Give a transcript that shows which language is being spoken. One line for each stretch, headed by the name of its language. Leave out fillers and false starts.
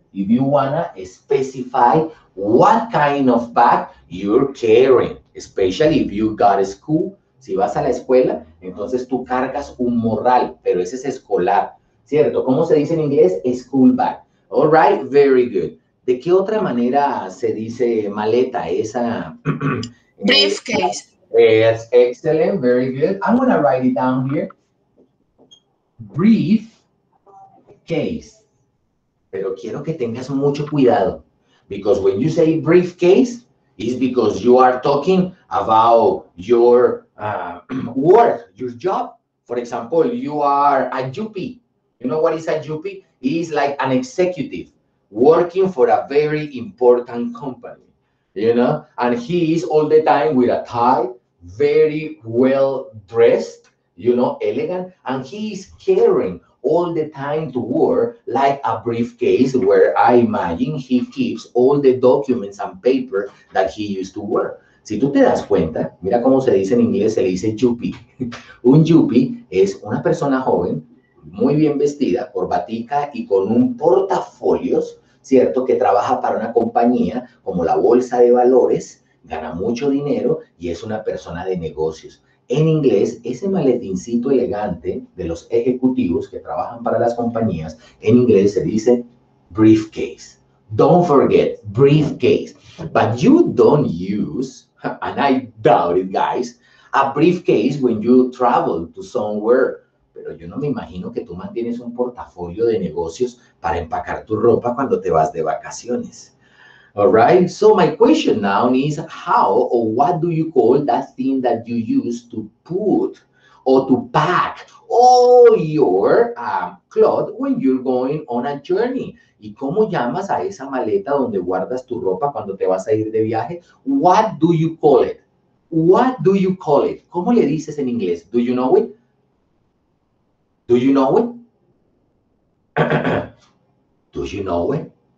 English: If you wanna specify what kind of bag you're carrying, especially if you got a school.
Spanish: Si vas a la escuela, entonces tú cargas un morral, pero ese es escolar, ¿cierto? ¿Cómo se dice en inglés?
English: School bag. All right, very good.
Spanish: ¿De qué otra manera se dice maleta? Esa...
English: Briefcase. Yes, excellent, very good. I'm going to write it down here.
Spanish: Briefcase. Pero quiero que tengas mucho cuidado.
English: Because when you say briefcase, it's because you are talking about your... work, your job. For example, you are a yuppie. You know what is a yuppie? It is like an executive working for a very important company, you know? And he is all the time with a tie, very well dressed, you know, elegant. And he is carrying all the time to work like a briefcase where I imagine he keeps all the documents and paper that he used to work.
Spanish: Si tú te das cuenta, mira cómo se dice en inglés, se le dice yuppie. Un yuppie es una persona joven, muy bien vestida, corbatica y con un portafolios, ¿cierto? Que trabaja para una compañía como la bolsa de valores, gana mucho dinero y es una persona de negocios. En inglés, ese maletincito elegante de los ejecutivos que trabajan para las compañías, en inglés se dice briefcase.
English: Don't forget, briefcase. But you don't use... And I doubt it, guys. A briefcase when you travel to somewhere.
Spanish: Pero yo no me imagino que tú mantienes un portafolio de negocios para empacar tu ropa cuando te vas de vacaciones.
English: All right? So my question now is how or what do you call that thing that you use to put or to pack all your clothes when you're going on a journey?
Spanish: ¿Y cómo llamas a esa maleta donde guardas tu ropa cuando te vas a ir de viaje?
English: What do you call it? What do you call it?
Spanish: ¿Cómo le dices en inglés?
English: Do you know it? Do you know it? Do you know it?